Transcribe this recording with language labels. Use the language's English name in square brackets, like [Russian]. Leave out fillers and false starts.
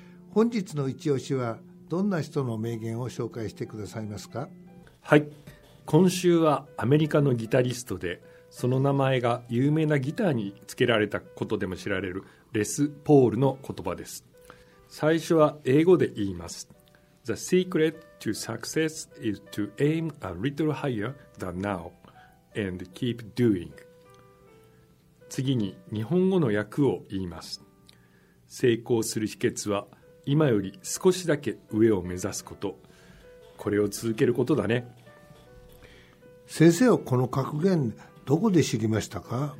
[Japanese] 本日の一押しはどんな人の名言を紹介してくださいますか？はい、今週はアメリカのギタリストで、その名前が有名なギターに付けられたことでも知られるレス・ポールの言葉です。最初は英語で言います。 [English] The secret to success is to aim a little higher than now and keep doing. [Japanese] 次に日本語の訳を言います。成功する秘訣は今より少しだけ上を目指すこと。これを続けることだね。先生はこの格言どこで知りましたか？